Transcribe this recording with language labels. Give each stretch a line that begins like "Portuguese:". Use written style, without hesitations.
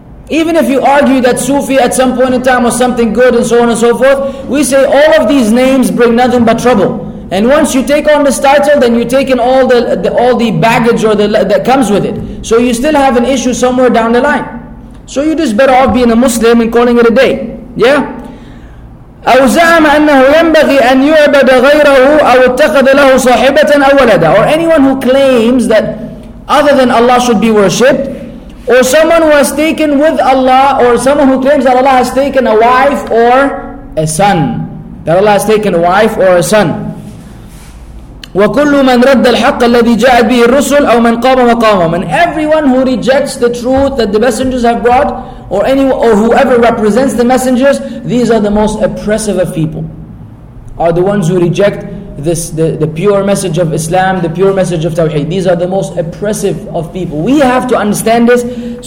English: Even if you argue that Sufi at some point in time was something good and so on and so forth, we say all of these names bring nothing but trouble. And once you take on this title, then you take in all the baggage that comes with it. So you still have an issue somewhere down the line. So you just better off being a Muslim and calling it a day. Yeah?
Arabic: أو زعم أنه ينبغي أن يعبد غيره أو اتخذ له صاحبة أو ولدا.
English: Or anyone who claims that other than Allah should be worshipped, or someone who has taken with Allah, or someone who claims that Allah has taken a wife or a son. That Allah has taken a wife or a son.
Arabic: وكل من رد الحق الذي جاءت به الرسل أو من قام مقامهم.
English: And everyone who rejects the truth that the messengers have brought, or whoever represents the messengers, these are the most oppressive of people. Are the ones who reject the pure message of Islam, the pure message of Tawheed. These are the most oppressive of people. We have to understand this.